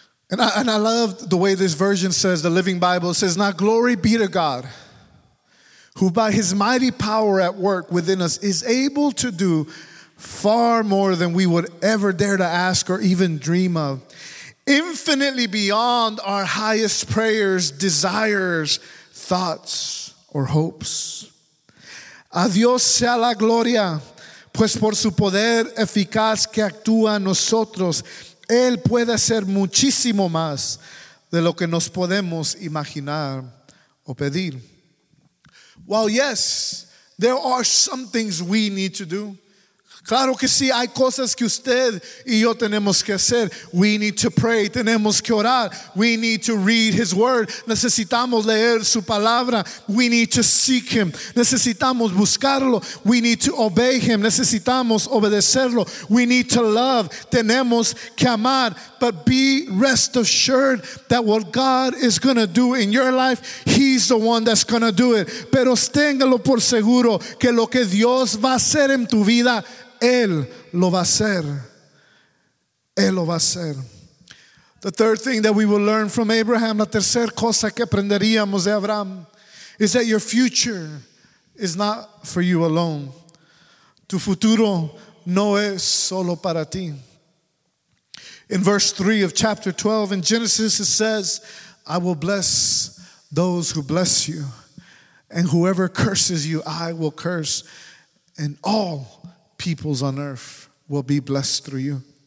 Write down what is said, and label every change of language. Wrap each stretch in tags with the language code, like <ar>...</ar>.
<en>And I love the way this version says, the Living Bible says, now glory be to God, who by his mighty power at work within us is able to do far more than we would ever dare to ask or even dream of. Infinitely beyond our highest prayers, desires, thoughts, or hopes.</en> <es>A Dios sea la gloria, pues por su poder eficaz que actúa en nosotros, Él puede hacer muchísimo más de lo que nos podemos imaginar o pedir.</es> <en>While yes, there are some things we need to do.</en> <es>Claro que sí, hay cosas que usted y yo tenemos que hacer.</es> <en>We need to pray,</en> <es>tenemos que orar.</es> <en>We need to read his word.</en> <es>Necesitamos leer su palabra.</es> <en>We need to seek him.</en> <es>Necesitamos buscarlo.</es> <en>We need to obey him.</en> <es>Necesitamos obedecerlo.</es> <en>We need to love.</en> <es>Tenemos que amar.</es> <en>But be rest assured that what God is going to do in your life, he's the one that's going to do it.</en> <es>Pero téngalo por seguro que lo que Dios va a hacer en tu vida, Él lo va a hacer. Él lo va a hacer.</es> <en>The third thing that we will learn from Abraham,</en> <es>la tercera cosa que aprenderíamos de Abraham,</es> <en>is that your future is not for you alone.</en> <es>Tu futuro no es solo para ti.</es> <en>In verse 3 of chapter 12 in Genesis, it says, I will bless those who bless you, and whoever curses you, I will curse, and all peoples on earth will be blessed through you.</en>